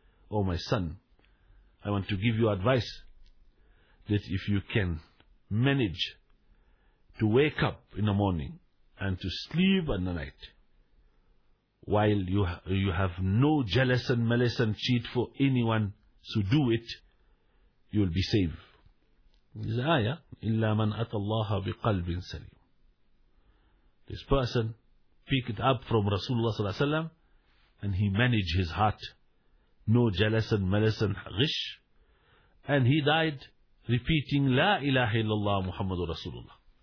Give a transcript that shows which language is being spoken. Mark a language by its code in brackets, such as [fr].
[en] O my son, I want to give you advice that if you can manage to wake up in the morning and to sleep in the night, while you have no jealous and malice and cheat for anyone, so do it, you will be saved. This ayah, [ar] إِلَّا مَنْ أَتَى اللَّهَ بِقَلْبٍ سَلِيمٍ. [en] This person picked up from Rasulullah sallallahu alayhi wa sallam, and he managed his heart, no jealous and malice and ghish, and he died repeating, [ar] لا إله إلا الله محمد رسول الله.